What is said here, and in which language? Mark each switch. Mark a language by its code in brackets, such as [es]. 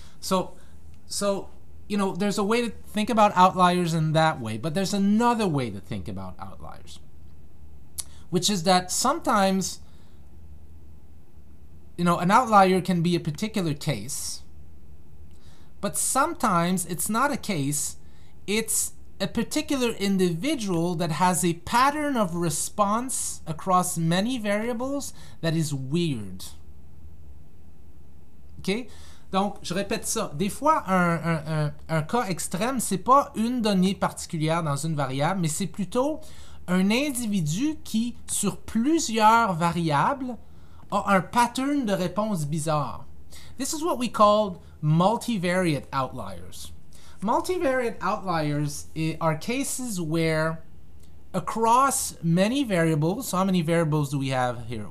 [en] So you know, there's a way to think about outliers in that way, but there's another way to think about outliers, which is that sometimes, you know, an outlier can be a particular case, but sometimes it's not a case, it's a particular individual that has a pattern of response across many variables that is weird. [fr] OK? Donc, je répète ça. Des fois, un cas extrême, c'est pas une donnée particulière dans une variable, mais c'est plutôt un individu qui, sur plusieurs variables, a un pattern de réponse bizarre. [en] This is what we call multivariate outliers. Multivariate outliers are cases where across many variables, so how many variables do we have here?